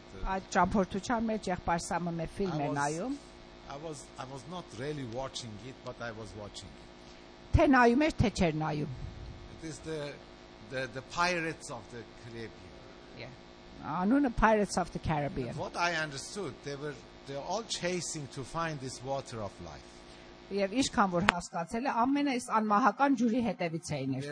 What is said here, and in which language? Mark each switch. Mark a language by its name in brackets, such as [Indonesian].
[Armenian] Այդ ճամփորդության մեջ եղբայրսամը մեր ֆիլմ է նայում. [English] I was not really watching it, but I was watching it. [Armenian] Թե նայում էր, թե չէր նայում. [English] It is the Pirates of the Caribbean. [Armenian] Yeah. Անունը Pirates of the Caribbean. [English] What I understood, they were all chasing to find this water of life. [Armenian] Եվ ինչքան որ հասկացել եմ, ամենը այս անմահական ջուրի հետևից էին երթում.